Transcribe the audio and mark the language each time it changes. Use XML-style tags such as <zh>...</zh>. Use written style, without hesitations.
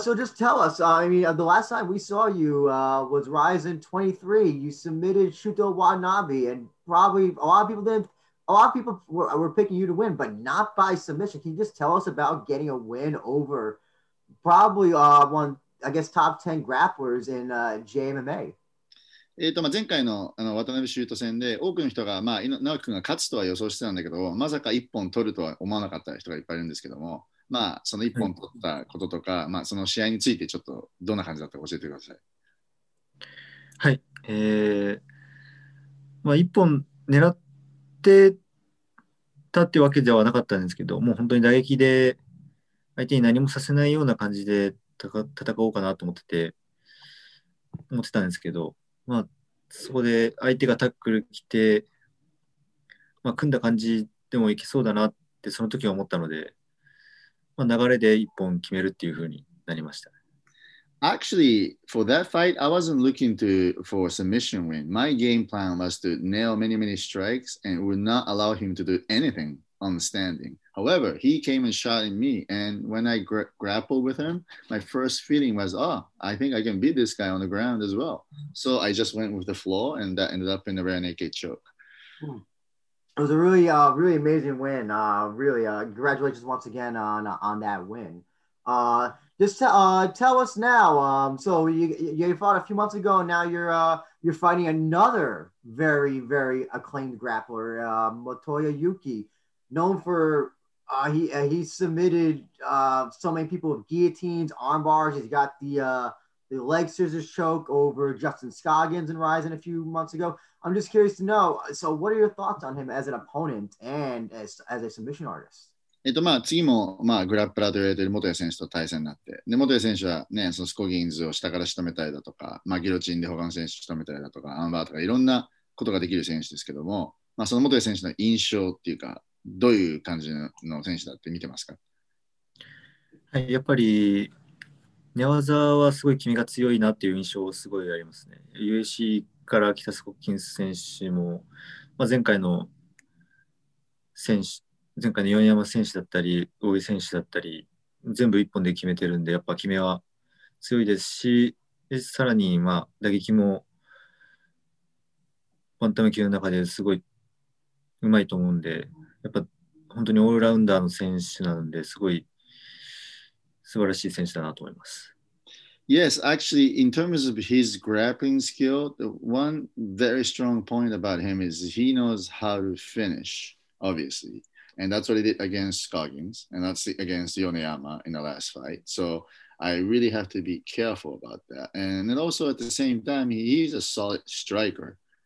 <en>So just tell us, the last time we saw you was Ryzen 23. You submitted Shuto Watanabe, and probably a lot of people were picking you to win, but not by submission. Can you just tell us about getting a win over probably one, I guess, top 10 grapplers in JMMA?</en> <ja>前回 の渡辺修斗戦で多くの人が、まあ、直樹君が勝つとは予想してたんだけど、まさか1本取るとは思わなかった人がいっぱいいるんですけども、まあ、その1本取ったこととか、はい、まあ、その試合についてちょっとどんな感じだったか教えてください。はい、まあ、1本狙ってたってわけではなかったんですけど、もう本当に打撃で相手に何もさせないような感じで戦おうかなと思ってたんですけど、まあ、そこで相手がタックル来て、まあ、組んだ感じでもいけそうだなってその時は思ったので、まあ、流れで一本決めるっていう風になりました。</ja> <en>Actually, for that fight, I wasn't looking to for a submission win. My game plan was to nail many, many strikes and would not allow him to do anything on the standing. However, he came and shot at me, and when I grappled with him, my first feeling was, oh, I think I can beat this guy on the ground as well. So I just went with the floor, and that ended up in a rear naked choke. It was a really, really amazing win. Congratulations once again on that win. Tell us now. So you fought a few months ago, and now you're fighting another very, very acclaimed grappler, Matoya Yuki, known for he submitted so many people with guillotines, arm bars. He's got the leg scissors choke over Justin Scoggins in Rising a few months ago. I'm just curious to know, so what are your thoughts on him as an opponent and as a submission artist?</en> <ja>まあ、次も、まあ、グラップラーと言われている元谷選手と対戦になって、で元谷選手は、ね、そのスコギンズを下から仕留めたりだとか、まあ、ギロチンで他の選手を仕留めたりだとか、アンバーとかいろんなことができる選手ですけども、まあ、その元谷選手の印象っていうか、どういう感じの選手だって見てますか？はい、やっぱり寝技はすごい気味が強いなっていう印象をすごいありますね。 UAC から来たスコッキンス選手も、まあ、前回の米山選手だったり大井選手だったり全部一本で決めてるんで、やっぱ決めは強いですし、でさらにまあ打撃もバンタム級の中ですごい上手いと思うんで、やっぱ本当にオールラウンダーの選手なんで、すごい素晴らしい選手だなと思います。</ja> <en>Yes, actually, in terms of his grappling skill, the one very strong point about him is he knows how to finish, obviously. And that's what he did against Scoggins, and that's against Yoneyama in the last fight. So I really have to be careful about that. And also at the same time, he's a solid striker.</en>